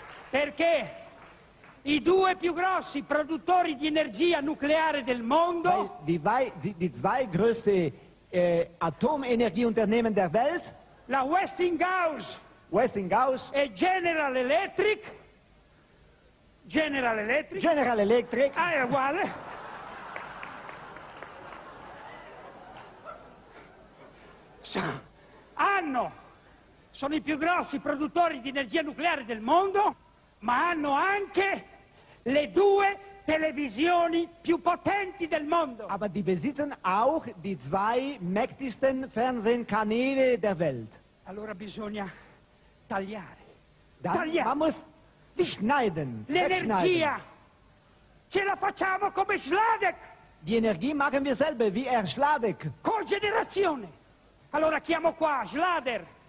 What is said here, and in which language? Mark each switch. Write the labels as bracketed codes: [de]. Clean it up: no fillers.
[it] Perché i due più grossi produttori di energia nucleare del mondo, [de] die zwei größte Atomenergieunternehmen der Welt, [it] la Westinghouse e General Electric, ah, è uguale, sono i più grossi produttori di energia nucleare del mondo, ma hanno anche le due televisioni più potenti del mondo. [de] Aber die besitzen auch die zwei mächtigsten Fernsehkanäle der Welt. [it] Allora bisogna tagliare. [de] Man muss schneiden. [it] L'energia ce la facciamo come Schladek. [de] Die Energie machen wir selber wie er Schladek. [it] Cogenerazione. Allora chiamo qua Schlader.